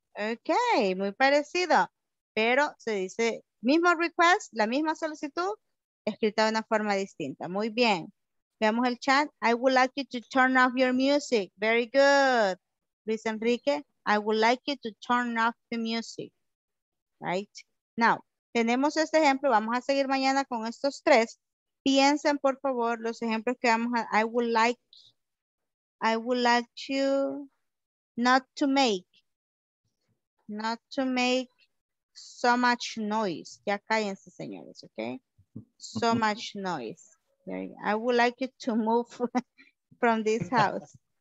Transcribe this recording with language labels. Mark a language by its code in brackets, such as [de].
[es] Okay, muy parecido. Pero se dice, mismo request, la misma solicitud, escrita de una forma distinta. Muy bien. Veamos el chat. [en] I would like you to turn off your music. Very good. Luis Enrique, I would like you to turn off the music. Right? Now. [es] Tenemos este ejemplo, vamos a seguir mañana con estos tres. Piensen, por favor, los ejemplos que vamos a... [en] I would like you not to make so much noise. [es] Ya cállense, señores, ¿ok? [en] So much noise. I would like you to move from this house.